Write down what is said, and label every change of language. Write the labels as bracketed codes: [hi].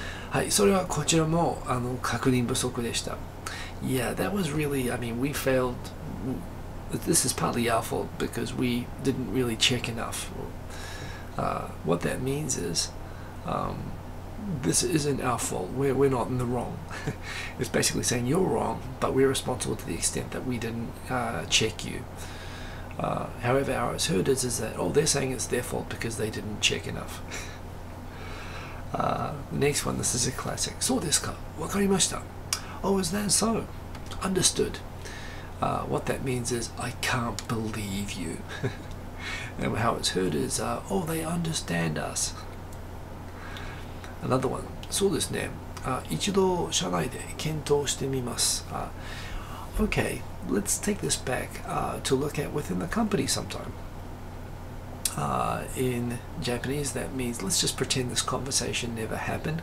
[ja] はい、それはこちらもあの確認不足でした。 [en] Yeah, that was really, I mean, we failed. This is partly our fault because we didn't really check enough. What that means is, this isn't our fault. We're not in the wrong. It's basically saying you're wrong, but we're responsible to the extent that we didn't check you. However, how it's heard is that, oh, they're saying it's their fault because they didn't check enough. Next one, this is a classic. [ja] そうですか?わかりました。 [en] Oh, is that so? Understood. What that means is, I can't believe you. And how it's heard is, oh, they understand us. Another one. [ja] そうですね。一度社内で検討してみます。 [en] Okay, let's take this back to look at within the company sometime. In Japanese, that means let's just pretend this conversation never happened.